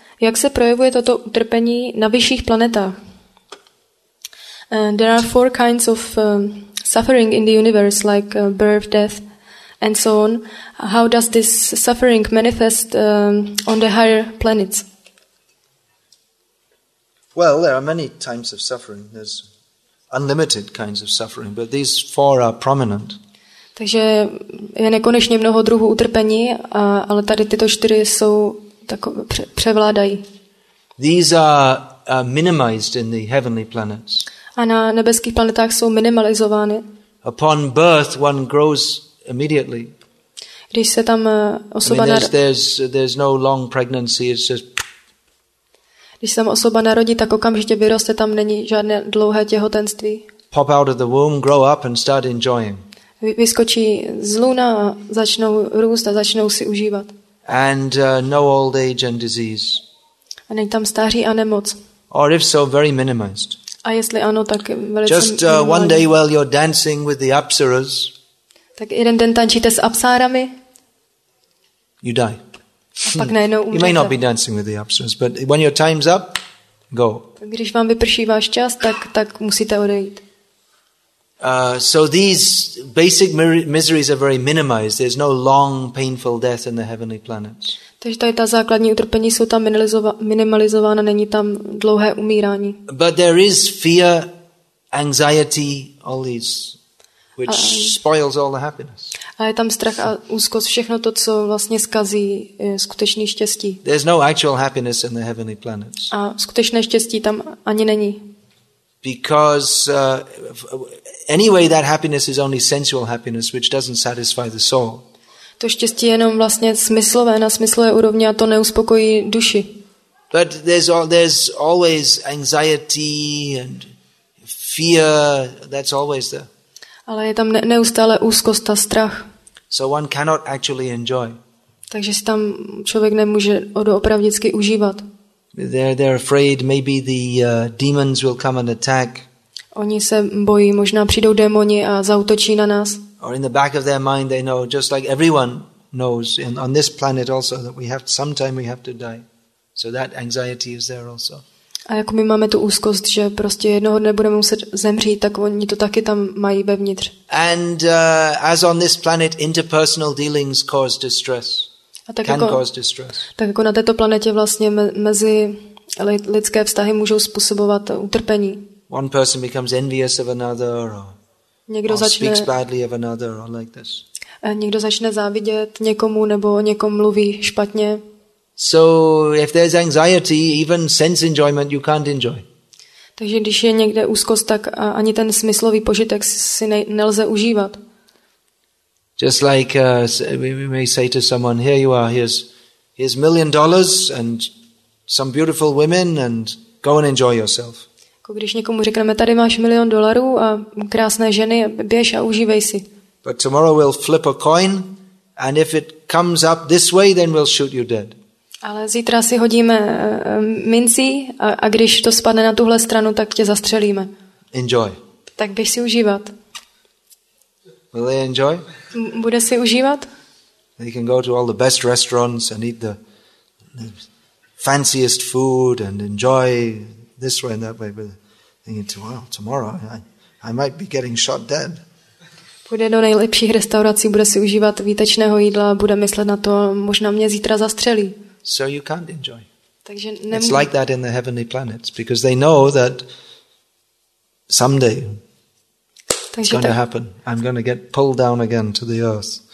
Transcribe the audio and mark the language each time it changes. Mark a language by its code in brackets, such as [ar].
[cs] Jak se projevuje toto utrpení na vyšších planetách? [en] There are four kinds of suffering in the universe, like birth, death, and so on. How does this suffering manifest on the higher planets? Well, there are many types of suffering. There's unlimited kinds of suffering, but these four are prominent. [cs] Takže je nekonečně mnoho druhů utrpení, ale tady tyto čtyři jsou takové převládají. [en] These are minimized in the heavenly planets. [cs] A na nebeských planetách jsou minimalizovány. [en] Upon birth, one grows immediately. [cs] Když se tam osoba [en] there's no long pregnancy, it's just [cs] když se tam osoba narodí, tak okamžitě vyroste, tam není žádné dlouhé těhotenství. [en] Pop out of the womb, grow up and start enjoying. [cs] Vyskočí z luna a začnou růst a začnou si užívat. [en] And no old age and disease. [cs] A není tam stáří a nemoc. [en] Or if so, very minimized. [cs] A jestli ano, tak velice [en] just one day while you're dancing with the apsaras. [cs] Tak jeden den tančíte s apsárami. [en] You die. [cs] A pak najednou umřete. [en] You may not be dancing with the apsaras, but when your time's up, go. [cs] Když vám vyprší váš čas, tak musíte odejít. [en] So these basic miseries are very minimized. There's no long painful death in the heavenly planets. [cs] Takže ta základní utrpení jsou tam minimalizována, není tam dlouhé umírání. [en] But there is fear, anxiety, all these which spoils all the happiness. [cs] A je tam strach a úzkost, všechno to, co vlastně zkazí skutečný štěstí. [en] There's no actual happiness in the heavenly planets. [cs] A skutečné štěstí tam ani není. [en] Because anyway that happiness is only sensual happiness which doesn't satisfy the soul. [cs] To štěstí je jenom vlastně smyslové na smyslové úrovni a to neuspokojí duši. [en] But there's always anxiety and fear, that's always there. [cs] Ale je tam neustále úzkost a strach. [en] So one cannot actually enjoy. [cs] Takže si tam člověk nemůže doopravdicky užívat. [en] They're afraid maybe the demons will come and attack. [cs] Oni se bojí, možná přijdou démoni a zaútočí na nás. [en] Or in the back of their mind they know, just like everyone knows on this planet also, that sometime we have to die. So that anxiety is there also. [cs] A jako my máme tu úzkost, že prostě jednoho dne budeme muset zemřít, tak oni to taky tam mají vevnitř. [en] And as on this planet, interpersonal dealings cause distress. [cs] Tak jako na této planetě vlastně mezi lidské vztahy můžou způsobovat utrpení. [en] One person becomes envious of another, or speaks badly of another, or like this. [cs] Někdo začne závidět někomu nebo někomu mluví špatně. [en] So if there's anxiety, even sense enjoyment you can't enjoy. [cs] Takže když je někde úzkost, tak ani ten smyslový požitek si nelze užívat. [en] Just like we may say to someone, here you are, here's $1 million and some beautiful women and go and enjoy yourself. [cs] Když někomu řekneme, tady máš $1 million a krásné ženy, běž a užívej si. [en] But tomorrow we'll flip a coin and if it comes up this way, then we'll shoot you dead. [cs] Ale zítra si hodíme mincí a když to spadne na tuhle stranu, tak tě zastřelíme. [en] Enjoy. [cs] Tak běž si užívat. [en] Will they enjoy? [cs] Bude si užívat? [en] They can go to all the best restaurants and eat the fanciest food and enjoy this way and that way, but thinking, well, tomorrow I might be getting shot dead. [cs] Bude do nejlepších restaurací, bude si užívat výtečného jídla, bude myslet na to, možná mě zítra zastřelí. [en] So you can't enjoy. [cs] Takže [en] it's like that in the heavenly planets, because they know that someday it's going to happen. I'm going to get pulled down again to the earth.